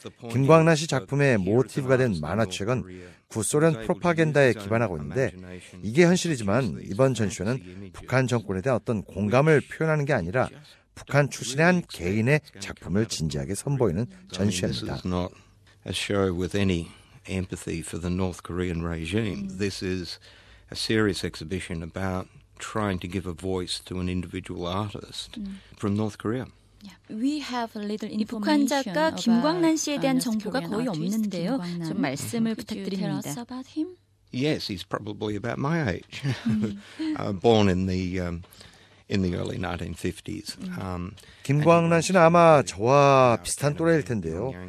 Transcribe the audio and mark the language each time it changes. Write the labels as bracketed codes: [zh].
[ko] 김광란 씨 작품의 모티브가 된 만화책은 구소련 프로파간다에 기반하고 있는데 이게 현실이지만 이번 전시회는 북한 정권에 대한 어떤 공감을 표현하는 게 아니라 북한 출신의 한 개인의 작품을 진지하게 선보이는 전시회입니다. [en] This is not a show with any empathy for the North Korean regime. This is a serious exhibition about trying to give a voice to an individual artist from North Korea. We have a little information. [ko] 북한 작가 김광란 씨에 대한 정보가 거의 없는데요. 좀 말씀을 부탁드립니다. [en] Yes, he's probably about my age. Born in the early 1950s. [ko] 김광란 씨는 아마 저와 비슷한 또래일 텐데요.